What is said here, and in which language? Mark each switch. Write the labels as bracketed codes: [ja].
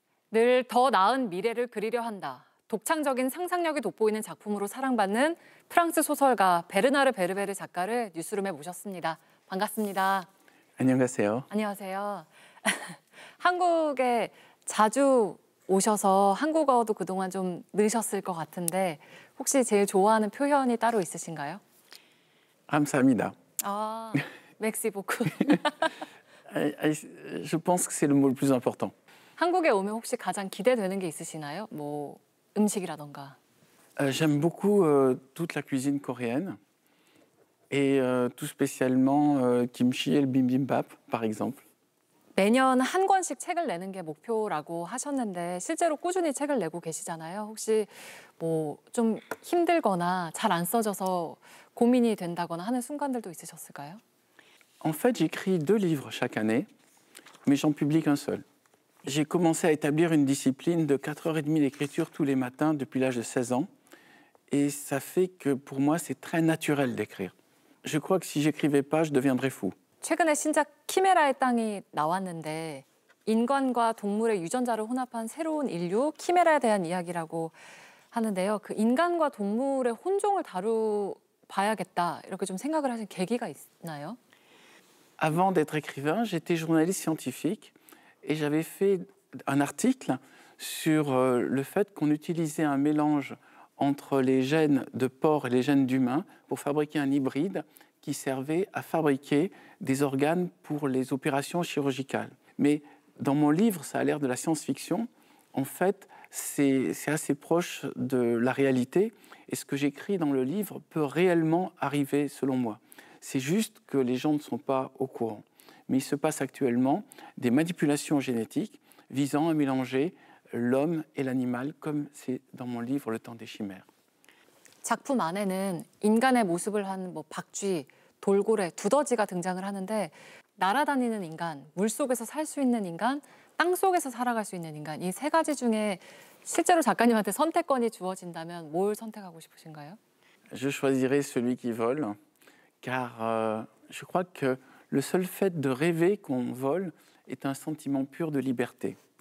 [ko] 늘 더 나은 미래를 그리려 한다. 독창적인 상상력이 돋보이는 작품으로 사랑받는 프랑스 소설가 베르나르 베르베르 작가를 뉴스룸에 모셨습니다. 반갑습니다. 안녕하세요. 안녕하세요. 한국에 자주 오셔서 한국어도 그동안 좀 늘으셨을 것 같은데 혹시 제일 좋아하는 표현이 따로 있으신가요? 감사합니다. [fr] 아, merci beaucoup. Je pense que c'est le mot le plus important. [ko] 한국에 오면 혹시 가장 기대되는 게 있으시나요? 뭐 음식이라던가. [fr] J'aime beaucoup toute la cuisine coréenne et tout spécialement kimchi et le bibimbap par exemple. [ko] 매년 한 권씩 책을 내는 게 목표라고 하셨는데 실제로 꾸준히 책을 내고 계시잖아요. 혹시 뭐 좀 힘들거나 잘 안 써져서 고민이 된다거나 하는 순간들도 있으셨을까요? [fr] En fait, j'écris deux livres chaque année, mais j'en publie qu'un seul. J'ai commencé à établir une discipline de 4h30 d'écriture tous les matins depuis l'âge de 16 ans. Et ça fait que pour moi, c'est très naturel d'écrire. Je crois que si j'écrivais pas, je deviendrais fou. [ko] 최근에 신작 키메라의 땅이 나왔는데 인간과 동물의 유전자를 혼합한 새로운 인류, 키메라에 대한 이야기라고 하는데요. 그 인간과 동물의 혼종을 다뤄봐야겠다, 이렇게 좀 생각을 하신 계기가 있나요? [fr] Avant d'être écrivain, j'étais journaliste scientifique et j'avais fait un article sur le fait qu'on utilisait un mélange entre les gènes de porc et les gènes d'humains pour fabriquer un hybride qui servait à fabriquer des organes pour les opérations chirurgicales. Mais dans mon livre, ça a l'air de la science-fiction. En fait, c'est assez proche de la réalité et ce que j'écris dans le livre peut réellement arriver selon moi. C'est juste que les gens ne sont pas au courant. Mais il se passe actuellement des manipulations génétiques visant à mélanger l'homme et l'animal, comme c'est dans mon livre Le Temps des Chimères. [ko] 작품 안에는 인간의 모습을 한 뭐 박쥐, 돌고래, 두더지가 등장을 하는데 날아다니는 인간, 물 속에서 살 수 있는 인간, 땅 속에서 살아갈 수 있는 인간 이 세 가지 중에 실제로 작가님한테 선택권이 주어진다면 뭘 선택하고 싶으신가요? [fr] Je choisirais celui qui vole. Car je crois que le seul fait de rêver qu'on vole est un sentiment pur de liberté.